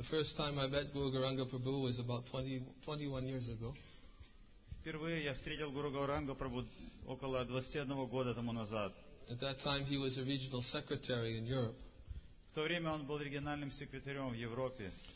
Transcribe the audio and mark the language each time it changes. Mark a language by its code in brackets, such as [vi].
[en] The first time I met Guru Gauranga Prabhu was about 21 years ago. [ru] Впервые я встретил Гуру Гауранга Прабху около 21 года тому назад. [en] At that time he was a regional secretary in Europe. [ru] В то время он был региональным секретарем в Европе.